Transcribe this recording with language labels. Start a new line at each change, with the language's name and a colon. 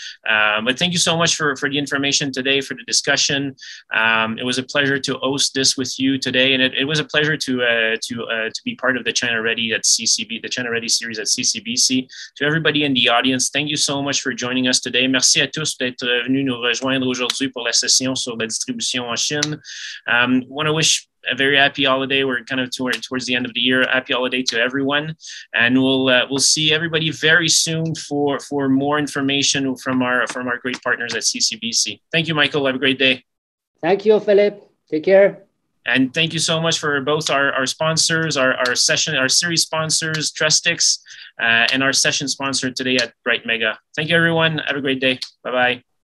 English: But thank you so much for the information today, for the discussion. It was a pleasure to host this with you today. And it was a pleasure to be part of the China Ready at CCB, the China Ready series at CCBC. To everybody in the audience, thank you so much for joining us today.
French: Merci à tous d'être venus nous rejoindre aujourd'hui pour la session sur la distribution en Chine.
English: Want to wish a very happy holiday. We're kind of towards the end of the year. Happy holiday to everyone. And we'll see everybody very soon for more information from our great partners at CCBC. Thank you, Michael. Have a great day. Thank you, Philip. Take care. And thank you so much for both our sponsors, our session, our series sponsors, Trustix, and our session sponsor today at Bright Mega. Thank you, everyone. Have a great day. Bye-bye.